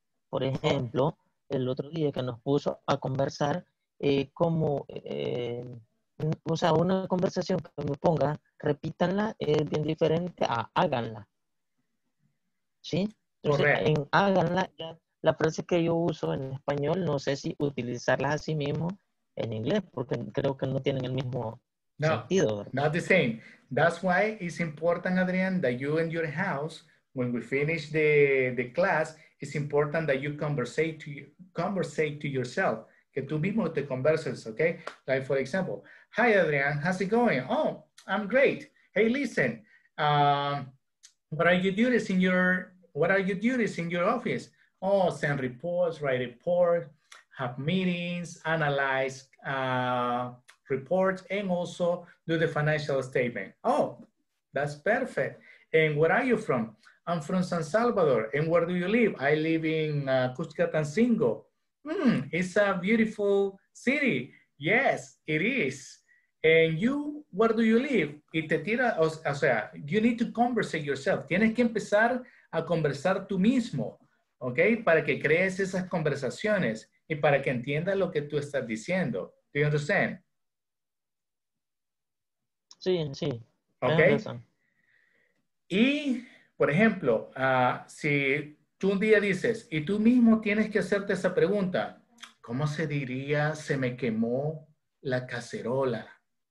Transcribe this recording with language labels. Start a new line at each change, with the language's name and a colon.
Spanish: Por ejemplo, el otro día que nos puso a conversar, una conversación que me ponga, repítanla, es bien diferente a háganla. ¿Sí? Entonces, en háganla, ya, la frase que yo uso en español, no sé si utilizarla a sí mismo en inglés, porque creo que no tienen el mismo sentido.
English: No, not the same. That's why it's important, Adrián, that you and your house, when we finish the class, it's important that you converse to yourself.
Spanish: Que tú mismo te converses,
English: okay? Like, for example, hi, Adrián, how's it going? Oh, I'm great. Hey, listen, what are your duties in your office? Oh, send reports, write reports, have meetings, analyze reports, and also do the financial statement. Oh, that's perfect. And where are you from? I'm from San Salvador. And where do you live? I live in Cuscatancingo. It's a beautiful city. Yes, it is. And you, where do you live?
Spanish: Y te tira, o sea,
English: you need to converse yourself.
Spanish: Tienes que empezar a conversar tú mismo, okay? Para que crees esas conversaciones y para que entiendas lo que tú estás diciendo.
English: Do you understand?
Spanish: Sí, sí.
English: Okay.
Spanish: Y, por ejemplo, si tú un día dices, y tú mismo tienes que hacerte esa pregunta, ¿cómo se diría se me quemó la cacerola?